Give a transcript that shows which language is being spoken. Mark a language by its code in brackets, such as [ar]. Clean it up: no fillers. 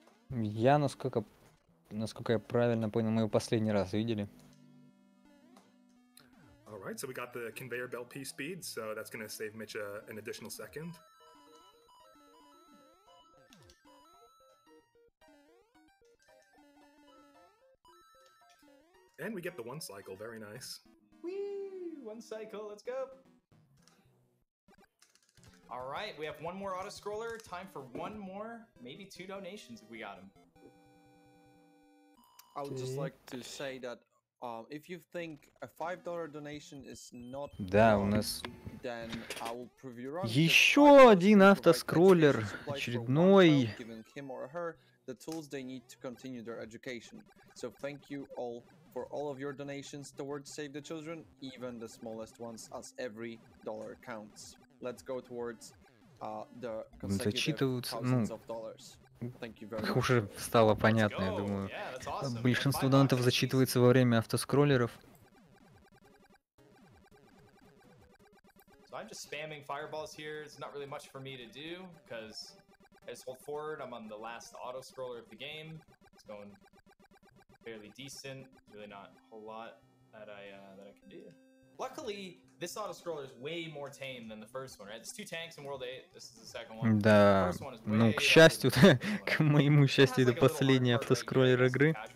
[ru] Я, насколько я правильно понял, мы его последний раз видели. [en] All right, so we got the conveyor belt piece speed, so that's gonna save Mitch an additional second. And we get the one cycle, very nice. Whee! One cycle, let's go! Alright, we have one more auto-scroller. Time for one more, maybe two donations if we got them. I would just like to say that if you think a $5 donation is not down, then I will prove you wrong. [ru] Еще один автоскроллер, очередной. [en] Giving him or her the tools they need to continue their education. So thank you all for all of your donations towards Save the Children, even the smallest ones, as every dollar counts. Let's go towards the consecutive thousands of dollars. [ru] Уже стало понятно, я думаю. [en] Yeah, awesome. [ru] Большинство донатов зачитывается во время автоскроллеров. [en] So I'm just spamming fireballs here. It's not really much for me to do, because I just hold forward. I'm on the last auto-scroller of the game. It's going fairly decent. It's really not a whole lot that I can do. Luckily, this auto scroller is way more tame than the first one, right? There's two tanks in World 8. This is the second one. [ru] Да. [en] The first one is way, [ru] ну, к счастью, к моему счастью, это [en] like [ru] последний автоскроллер игры.